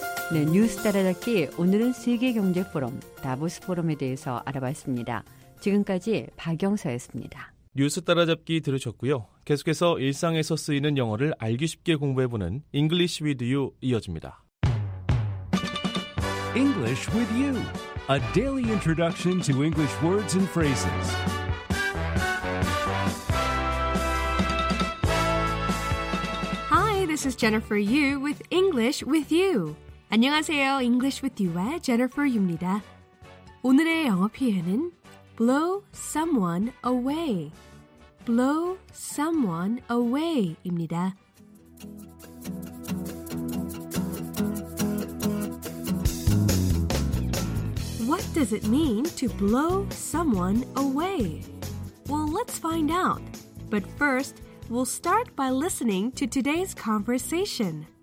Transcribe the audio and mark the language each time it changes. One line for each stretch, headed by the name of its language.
Korean: 네, 뉴스 따라잡기 오늘은 세계경제 포럼, 다보스 포럼에 대해서 알아봤습니다. 지금까지 박영서였습니다. 뉴스 따라잡기 들으셨고요. 계속해서 일상에서 쓰이는 영어를 알기 쉽게 공부해보는 English with you 이어집니다.
English: English with you, a daily introduction to English words and phrases. This is Jennifer Yu with English with You.
Korean: 안녕하세요. English with You의 Jennifer Yu입니다. 오늘의 영어 표현은 blow someone away. blow someone away입니다.
English: What does it mean to blow someone away? Well, let's find out. But first, we'll start by listening to today's conversation.